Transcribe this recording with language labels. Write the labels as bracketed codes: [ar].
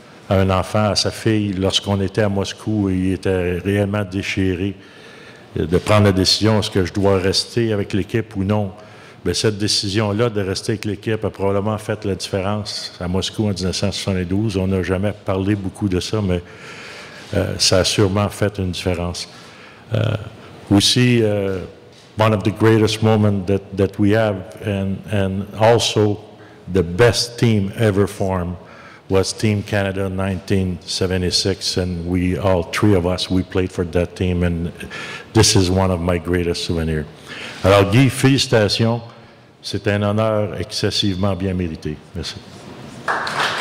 [fr] à un enfant, à sa fille, lorsqu'on était à Moscou, il était réellement déchiré de prendre la décision, est-ce que je dois rester avec l'équipe ou non. Mais cette décision-là de rester avec l'équipe a probablement fait la différence à Moscou en 1972. On n'a jamais parlé beaucoup de ça, mais ça a sûrement fait une différence. [en] Aussi, one of the greatest moments that we have and also the best team ever formed was Team Canada 1976, and we all, three of us, we played for that team, and this is one of my greatest souvenirs. [fr] Alors, Guy, félicitations. C'est un honneur excessivement bien mérité. Merci.